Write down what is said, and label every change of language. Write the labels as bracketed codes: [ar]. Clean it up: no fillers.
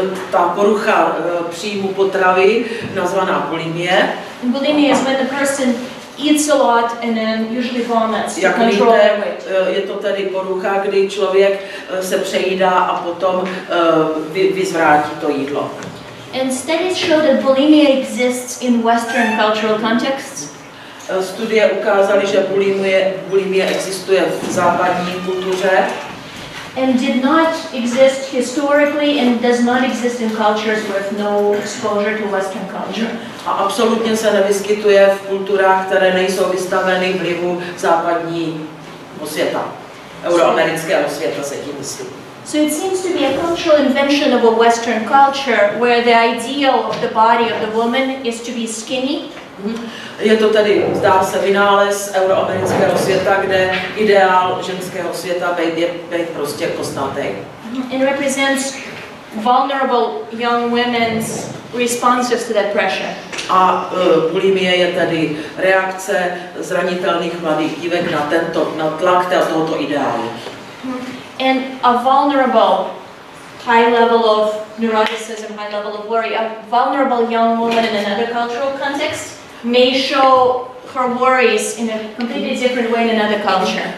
[cs] Ta porucha příjmu potravy, nazvaná bulimie. [en] Bulimia is when the person eats a lot and then usually vomits to control their weight. [cs] Je to tedy porucha, kdy člověk se přejídá a potom vyzvrátí to jídlo. [en] And studies show that bulimia exists in Western cultural contexts. [cs] Studie ukázaly, že bulimie existuje v západní kultuře. [en] And did not exist historically and does not exist in cultures with no exposure to Western culture. [cs] A absolutně se nevyskytuje v kulturách, které nejsou vystaveny vlivu západního světa. Euroamerického světa se tím myslí. [en] So it seems to be a cultural invention of a Western culture where the ideal of the body of the woman is to be skinny. [cs] Je to tedy, zdá se, vynález euroamerického světa, kde ideál ženského světa je být prostě kostnatý. [en] It represents vulnerable young women's responses to that pressure. [cs] A bulimie je tedy reakce zranitelných mladých dívek na tento, na tlak tohoto ideálu. [en] And a vulnerable high level of neuroticism, high level of worry, a vulnerable young woman in another cultural context may show her worries in a completely different way in another culture.